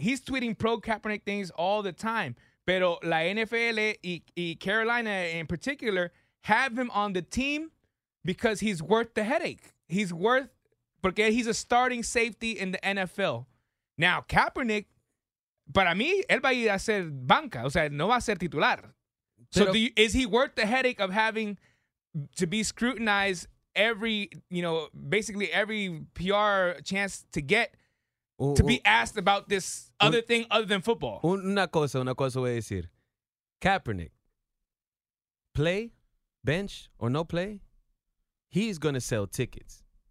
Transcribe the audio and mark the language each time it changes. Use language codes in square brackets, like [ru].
[en] He's tweeting pro-Kaepernick things all the time. [es] Pero la NFL y Carolina [en] in particular... Have him on the team because he's worth the headache. He's worth, because he's a starting safety in the NFL. Now, Kaepernick, [es] para mí, él va a ir a ser banca. O sea, no va a ser titular. [en] Pero, so, is he worth the headache of having to be scrutinized every, you know, basically every PR chance to get to be asked about this other thing other than football? [es] Una cosa voy a decir. [en] Kaepernick, play, bench, or no play, he's going to sell tickets.